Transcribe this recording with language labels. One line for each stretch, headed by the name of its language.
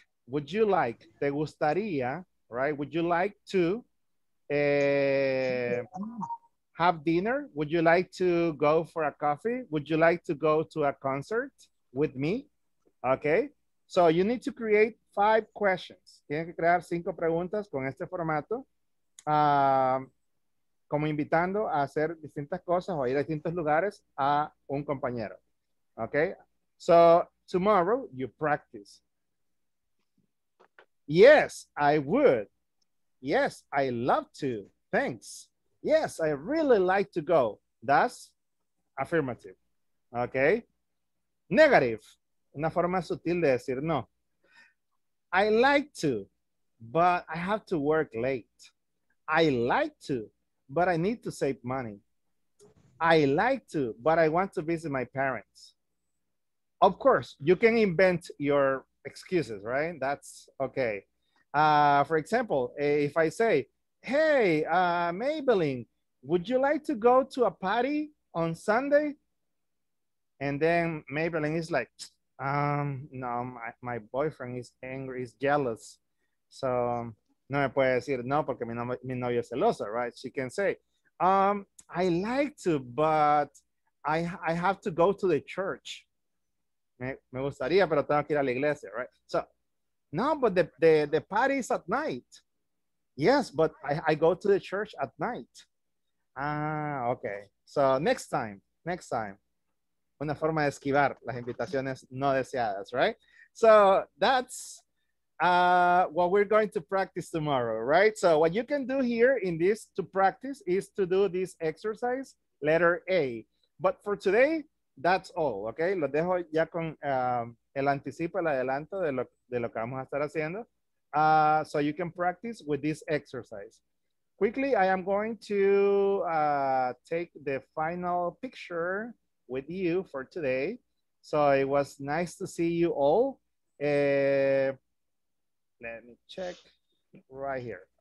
English: Would you like,
Spanish: te gustaría,
English: right? Would you like to have dinner? Would you like to go for a coffee? Would you like to go to a concert with me? Okay, so you need to create five questions.
Spanish: Tienes que crear cinco preguntas con este formato, como invitando a hacer distintas cosas o ir a distintos lugares a un compañero.
English: Okay, so tomorrow you practice. Yes, I would. Yes, I love to. Thanks. Yes, I really like to go. That's affirmative. Okay, negative.
Spanish: Una forma sutil de decir no.
English: I like to, but I have to work late. I like to, but I need to save money. I like to, but I want to visit my parents. Of course, you can invent your excuses, right? That's okay. For example, if I say, hey, Maybelline, would you like to go to a party on Sunday? And then Maybelline is like, no, my boyfriend is angry, is jealous.
Spanish: So no me puede decir no porque mi novio es celoso, right?
English: She can say, I like to, but I have to go to the church.
Spanish: Me gustaría, pero tengo que ir a la iglesia, right?
English: So no, but the party is at night. Yes, but I go to the church at night. Ah, okay. So next time.
Spanish: Una forma de esquivar las invitaciones no deseadas, right?
English: So that's what we're going to practice tomorrow, right? So what you can do here in this to practice is to do this exercise, letter A. But for today, that's all, okay?
Spanish: Lo dejo ya con el anticipo, el adelanto de lo que vamos a estar haciendo.
English: So you can practice with this exercise. Quickly, I am going to take the final picture with you for today. So it was nice to see you all. Let me check right here.